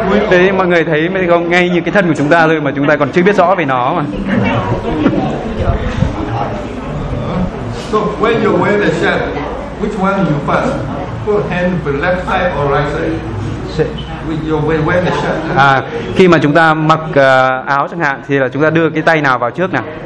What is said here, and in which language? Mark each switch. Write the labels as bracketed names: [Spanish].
[Vietnamese] Thế mọi người thấy mới không, ngay như cái thân của chúng ta thôi mà chúng ta còn chưa biết rõ về nó mà. [English] So when you wear the shirt, which one you first? Put hand on the left side or right side? When you wear the shirt. [Vietnamese] À, khi mà chúng ta mặc áo chẳng hạn thì là chúng ta đưa cái tay nào vào trước nè.